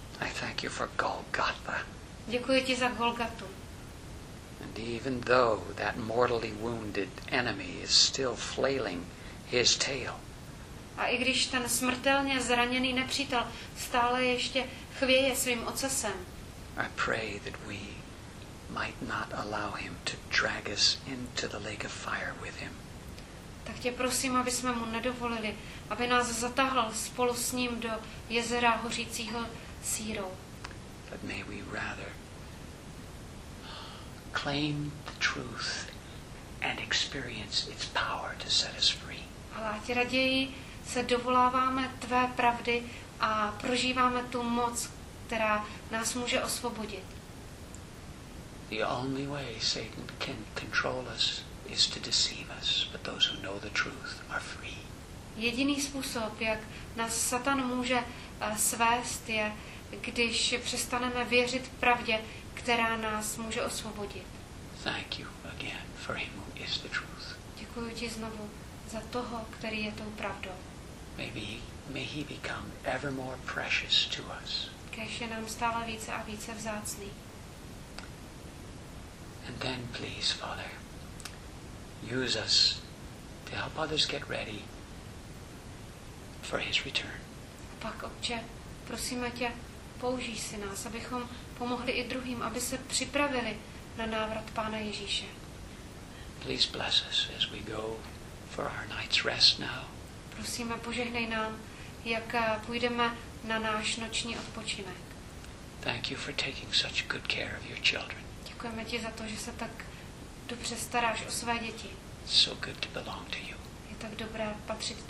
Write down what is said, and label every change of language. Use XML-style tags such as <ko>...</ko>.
<en>I thank you for Golgotha.</en> <cs>Děkuji ti za Golgatu.</cs> <en>And even though that mortally wounded enemy is still flailing his tail.</en> <cs>A i když ten smrtelně zraněný nepřítel stále ještě chvěje svým ocasem.</cs> <en>I pray that we might not allow him to drag us into the lake of fire with him.</en> <cs>Tak tě prosím, aby jsme mu nedovolili, aby nás zatáhl spolu s ním do jezera hořícího sírou.</cs> <en>But may we rather claim the truth and experience its power to set us free.</en> <cs>Ale ať raději se dovoláváme tvé pravdy a prožíváme tu moc, která nás může osvobodit.</cs> <en>The only way Satan can control us is to deceive us, but those who know the truth are free.</en> <cs>Jediný způsob, jak nás Satan může svést, je, když přestaneme věřit pravdě, která nás může osvobodit.</cs> <en>Thank you again for him who is the truth.</en> <cs>Děkuji ti znovu za toho, který je tou pravdou.</cs> <en>May he become ever more precious to us.</en> <cs>Kéž je nám stále více a více vzácný.</cs> <en>And then please, Father, use us to help others get ready for his return.</en> <cs>A pak, Otče, prosíme tě, použij si nás, abychom pomohli i druhým, aby se připravili na návrat Pána Ježíše.</cs> <en>Please bless us as we go for our night's rest now.</en> <cs>Prosíme, požehnej nám, jak půjdeme na náš noční odpočinek.</cs> <en>Thank you for taking such good care of your children.</en> <cs>Děkujeme ti za to, že se tak dobře staráš o své děti.</cs> <en>So good to belong to you.</en> <cs>Je tak dobré patřit tobě.</cs>